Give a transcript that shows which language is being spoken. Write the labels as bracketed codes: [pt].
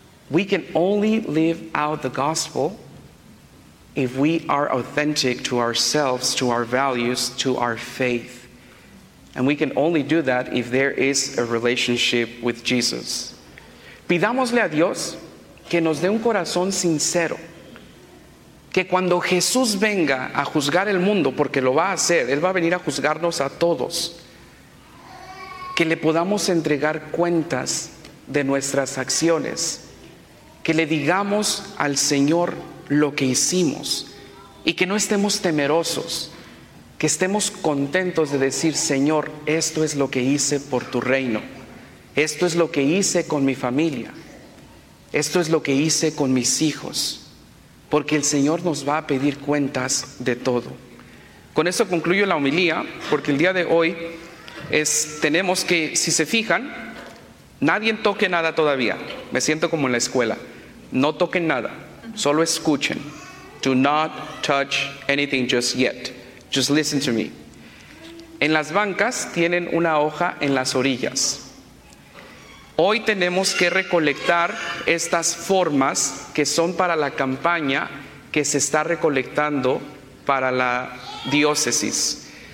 [en] We can only live out the gospel if we are authentic to ourselves, to our values, to our faith. And we can only do that if there is a relationship with Jesus. [es] Pidámosle a Dios que nos dé un corazón sincero. Que cuando Jesús venga a juzgar el mundo, porque lo va a hacer, Él va a venir a juzgarnos a todos, que le podamos entregar cuentas de nuestras acciones, que le digamos al Señor lo que hicimos y que no estemos temerosos, que estemos contentos de decir, Señor, esto es lo que hice por tu reino, esto es lo que hice con mi familia, esto es lo que hice con mis hijos, porque el Señor nos va a pedir cuentas de todo. Con eso concluyo la homilía, porque el día de hoy tenemos que, si se fijan, nadie toque nada todavía. Me siento como en la escuela, no toquen nada. Solo escuchen. [en] Do not touch anything just yet. Just listen to me. [es] En las bancas tienen una hoja en las orillas. Hoy tenemos que recolectar estas formas que son para la campaña que se está recolectando para la diócesis.